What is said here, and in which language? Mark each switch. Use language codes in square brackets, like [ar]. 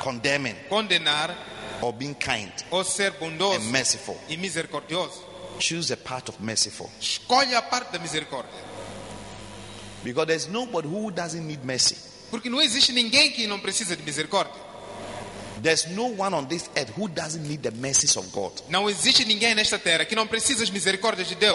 [en] condemning, [pt] condenar, [en] or being kind, [pt] ou ser bondoso, [en] and merciful, [pt] e misericordioso, [en] choose a path of merciful. [pt] Escolhe a parte da misericórdia. [en] Because there's nobody who doesn't need mercy. [pt] Porque não existe ninguém que não precisa de misericórdia. [en] There's no one on this earth who doesn't need the mercies of God. [pt] Não existe ninguém nesta terra que não precisa das misericórdias de Deus.